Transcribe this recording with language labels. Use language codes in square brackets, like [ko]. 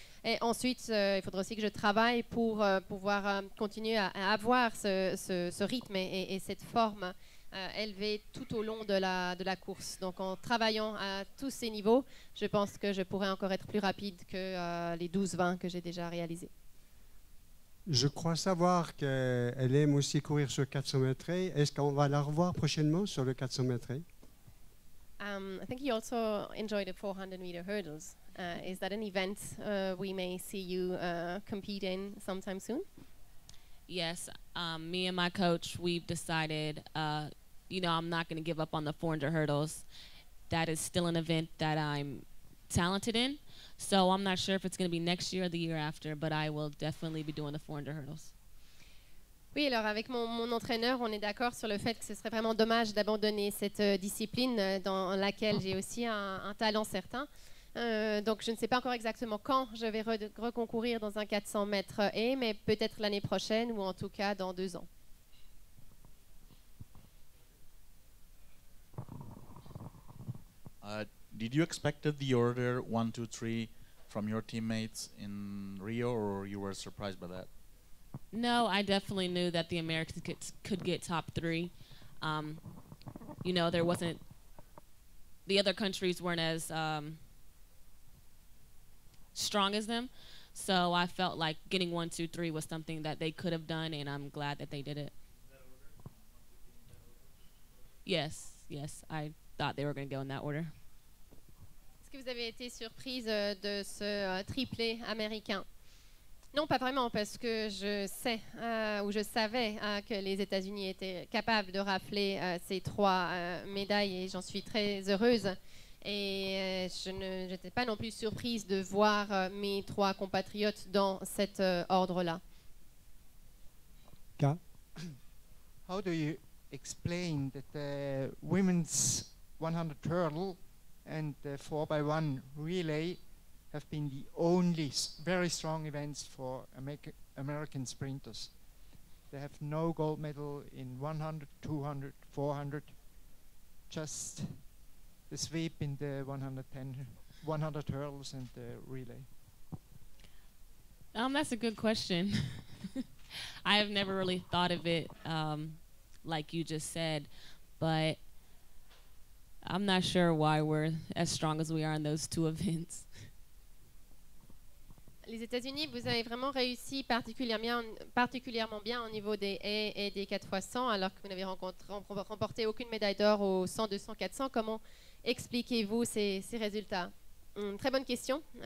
[fr] Et ensuite, il faudra aussi que je travaille pour pouvoir continuer à avoir ce rythme et cette forme élevé tout au long de la course. Donc en travaillant à tous ces niveaux, je pense que je pourrais encore être plus rapide que les 12-20 que j'ai déjà réalisés. Je crois savoir qu'elle aime aussi courir sur 400 mètres. Est-ce qu'on va la revoir prochainement sur le 400 mètres? [en] I think you also enjoy the 400 meter hurdles. Is that an event we may see you compete in sometime soon? Yes, me and my coach, we've decided, you know, I'm not going to give up on the 400 hurdles. That is still an event that I'm talented in. So I'm not sure if it's going to be next year or the year after, but I will definitely be doing the 400 hurdles. [fr] Oui, alors avec mon entraîneur, on est d'accord sur le fait que ce serait vraiment dommage d'abandonner cette discipline dans laquelle j'ai aussi un talent certain. Donc je ne sais pas encore exactement quand je vais reconcourir dans un 400 mètres et, mais peut-être l'année prochaine ou en tout cas dans 2 ans. [en] Did you expect the order 1, 2, 3 from your teammates in Rio, or you were surprised by that? No, I definitely knew that the Americans could get top three. You know, there wasn't, the other countries weren't as strong as them. So I felt like getting 1, 2, 3 was something that they could have done, and I'm glad that they did it. Yes, yes, I thought they were going to go in that order. [fr] Est-ce que vous avez été surprise de ce triplé américain? Non, pas vraiment, parce que je sais ou je savais que les États-Unis étaient capables de rafler ces trois médailles, et j'en suis très heureuse. Et je n'étais pas non plus surprise de voir mes trois compatriotes dans cet ordre-là. Ka? [en] How do you explain that the women's 100 hurdle and the 4x1 relay have been the only very strong events for American sprinters? They have no gold medal in 100, 200, 400, just the sweep in the 100 hurdles and the relay. That's a good question. I have never really thought of it like you just said, but I'm not sure why we're as strong as we are in those two events. [fr] Les États-Unis, vous avez vraiment réussi particulièrement bien au niveau des haies et des 4x100, alors que vous n'avez remporté aucune médaille d'or aux 100, 200, 400. Comment expliquez-vous ces résultats? Très bonne question.